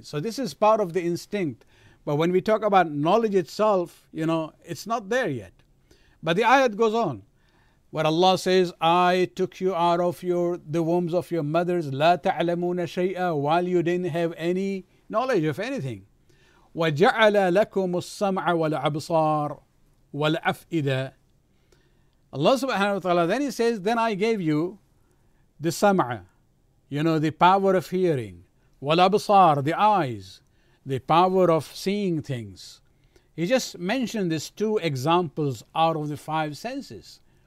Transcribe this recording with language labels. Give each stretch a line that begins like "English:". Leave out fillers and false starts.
English: So this is part of the instinct. But when we talk about knowledge itself, you know, it's not there yet. But the ayat goes on, where Allah says, I took you out of the wombs of your mothers,
Arabic: لا تعلمون شيئا,
English: while you didn't have any knowledge of anything.
Arabic: وجعل لكم السمع والأبصار والأفئدة.
English: Allah subhanahu wa ta'ala, then He says, then I gave you the sam'a, you know, the power of hearing, wal-absar, the eyes, the power of seeing things. He just mentioned these two examples out of the five senses.